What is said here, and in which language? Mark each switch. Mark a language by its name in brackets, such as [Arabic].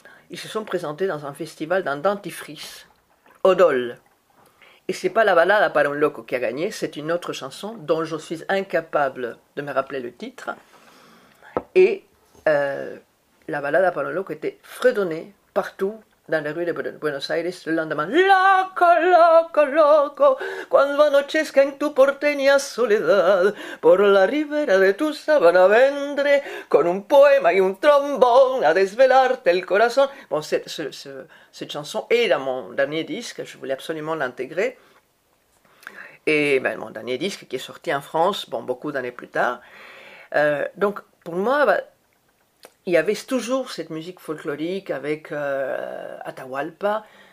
[French] Ils se sont présentés dans un festival d'un dentifrice, Odol. Et c'est pas la balade par un loco qui a gagné, c'est une autre chanson dont je suis incapable de me rappeler le titre. Et la balade par un loco était fredonnée partout dans les rues de Buenos Aires, le lendemain. [Spanish] Loco, loco, loco, quand anochezca en tu porteña soledad, por la ribera de tu sabana vendre, con un poema y un trombón, a desvelarte el corazón. [French] Bon, cette chanson est dans mon dernier disque, je voulais absolument l'intégrer. Et ben, mon dernier disque qui est sorti en France, bon, beaucoup d'années plus tard. Donc, pour moi, il y avait toujours cette musique folklorique avec Atahualpa,